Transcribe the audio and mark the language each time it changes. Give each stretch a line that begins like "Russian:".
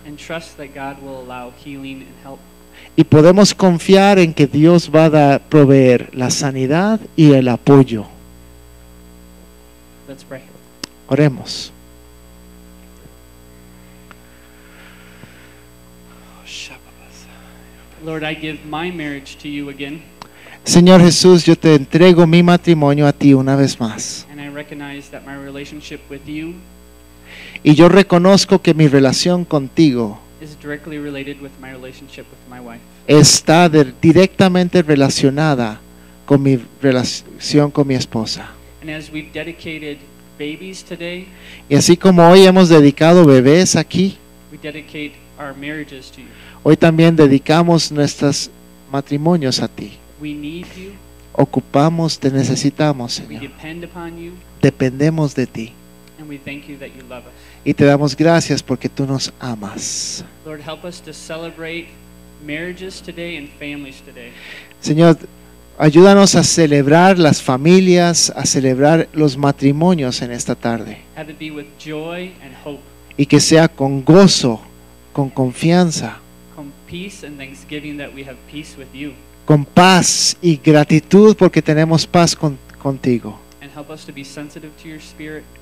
English: And trust that God will allow healing and help.
Spanish: Y podemos confiar en que Dios va a proveer la sanidad y el apoyo.
English: Let's pray.
Spanish: Oremos.
English: Lord, I give my marriage to you again.
Spanish: Señor Jesús, yo te entrego mi matrimonio a ti una vez más.
English: And I recognize that my relationship with you,
Spanish: y yo reconozco que mi relación contigo
English: is directly related with my relationship with my wife.
Spanish: Está directamente relacionada con mi relación con mi esposa.
English: And as we've dedicated babies today,
Spanish: y así como hoy hemos dedicado bebés aquí,
English: we dedicate our marriages to you.
Spanish: Hoy también dedicamos nuestros matrimonios a ti.
English: We need you.
Spanish: Ocupamos, te necesitamos, Señor.
English: We depend upon you.
Spanish: Dependemos de ti.
English: And we thank you that you love us.
Spanish: Y te damos gracias porque tú nos amas.
English: Lord, help us to celebrate marriages today and families today.
Spanish: Señor, ayúdanos a celebrar las familias, a celebrar los matrimonios en esta tarde.
English: Have it be with joy and hope.
Spanish: Y que sea con gozo, con confianza.
English: Con peace and thanksgiving that we have peace with you.
Spanish: Con paz y gratitud porque tenemos paz contigo.
English: And help us to be sensitive to your spirit.